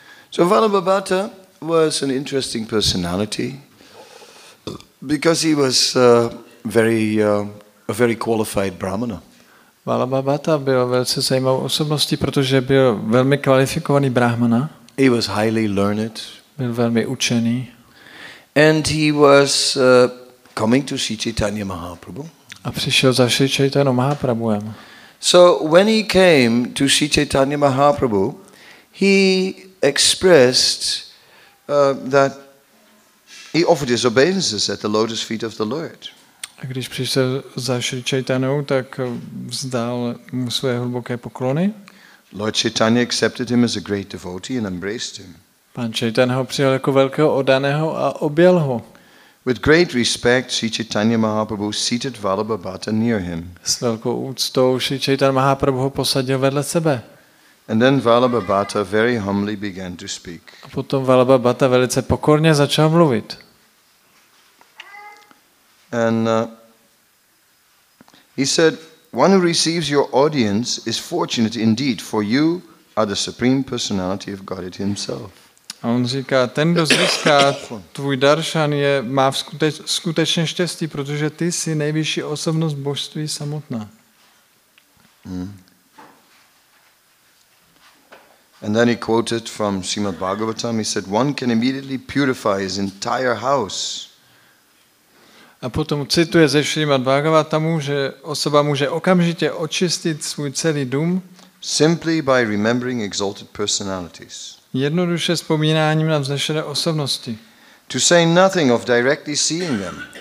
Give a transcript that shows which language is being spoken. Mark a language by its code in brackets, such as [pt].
[en] So Vallabhabhata was an interesting personality because he was a very qualified brahmana. [cs] Vallabhabhata byl velice zajímavou osobností, protože byl velmi kvalifikovaný brahmana. [en] He was highly learned. [cs] Byl velmi učený. [en] And he was coming to see Chaitanya Mahaprabhu. [cs] A přišel za Sri Chaitanya Mahaprabhuem. [en] So when he came to see Chaitanya Mahaprabhu, he expressed that he offered his obeisances at the lotus feet of the Lord. [cs] A když přišel za Sri Chaitanyou, tak vzdal mu své hluboké poklony. [en] Lord Chaitanya accepted him as a great devotee and embraced him. [cs] Pan Chaitanya ho přijal jako velkého oddaného a objal ho. [en] With great respect, Sri Chaitanya Mahaprabhu seated Vallabhabhata near him. [cs] S velkou úctou Sri Chaitanya Mahaprabhu ho posadil vedle sebe. [en] And then Vallabhabhata very humbly began to speak. [cs] A potom Vallabhabhata velice pokorně začal mluvit. [en] And he said, "One who receives your audience is fortunate indeed, for you are the supreme personality of Godhead himself." [cs] A on říká, ten, kdo získá tvůj darshan, je má skutečně štěstí, protože ty jsi nejvyšší osobnost božství samotná. [en] And then he quoted from Srimad Bhagavatam. He said, "One can immediately purify his entire house." [cs] A potom cituje ze Srimad Bhagavatamu, že osoba může okamžitě očistit svůj celý dům. [en] Simply by remembering exalted personalities. [cs] Jednoduše vzpomínáním na vznešené osobnosti. [en] To say nothing of directly seeing them.